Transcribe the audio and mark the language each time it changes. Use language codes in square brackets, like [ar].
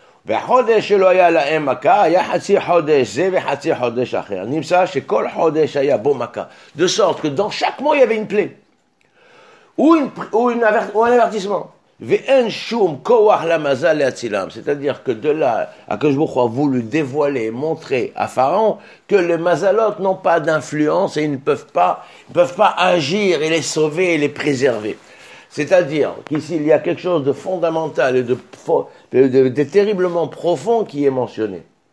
[he] והחודש שלו היה להם מכה, היה חצי חודש זה וחצי חודש אחר. נמצא שכל חודש היה בו מכה. [fr] De sorte que dans chaque mois, il y avait une plaie. Ou un avertissement. [he] ואין שום כוח למזל להצילם. [fr] C'est-à-dire que de là, Akadosh Baruch Hu a voulu dévoiler, montrer à Pharaon que les mazalotes n'ont pas d'influence et ils ne peuvent pas agir et les sauver et les préserver. C'est-à-dire qu'ici, il y a quelque chose de fondamental et de terriblement profond qui est mentionné.